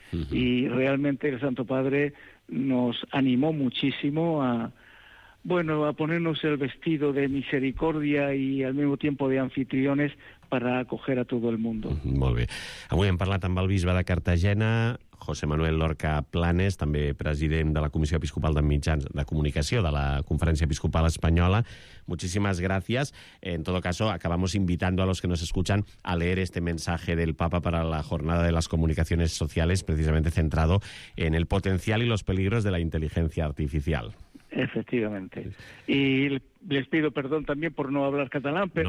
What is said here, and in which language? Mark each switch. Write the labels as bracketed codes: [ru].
[es] Y realmente el Santo Padre nos animó muchísimo a ponernos el vestido de misericordia y al mismo tiempo de anfitriones para acoger a todo el mundo. [ca] Molt bé. Avui hem parlat amb el bisbe de Cartagena, José Manuel Lorca Planes, també president de la Comissió Episcopal de Mitjans de Comunicació de la Conferència Episcopal Espanyola. [es] Muchísimas gracias. En todo caso, acabamos invitando a los que nos escuchan a leer este mensaje del Papa para la Jornada de las Comunicaciones Sociales, precisamente centrado en el potencial y los peligros de la inteligencia artificial. Efectivamente. Y les pido perdón también por no hablar catalán, pero...